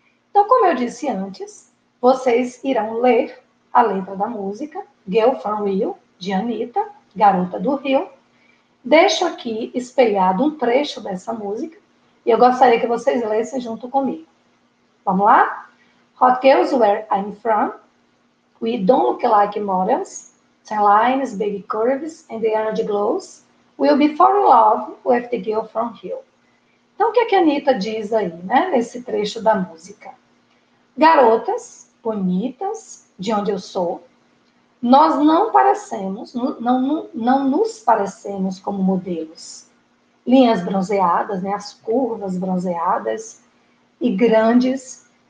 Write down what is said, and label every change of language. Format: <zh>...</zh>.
<pt>Então, como eu disse antes, vocês irão ler a letra da música Girl from Rio, de Anitta, Garota do Rio. Deixo aqui espelhado um trecho dessa música e eu gostaria que vocês lessem junto comigo. Vamos lá?</pt> <en>Hot girls where I'm from, we don't look like models, tan lines, big curves, and the energy glows, we'll be fall in love with the girl from Rio.</en> <pt>Então, o que, é que a Anitta diz aí, né, nesse trecho da música? Garotas bonitas, de onde eu sou, nós não parecemos, não nos parecemos como modelos. Linhas bronzeadas, né, as curvas bronzeadas e grandes.</pt>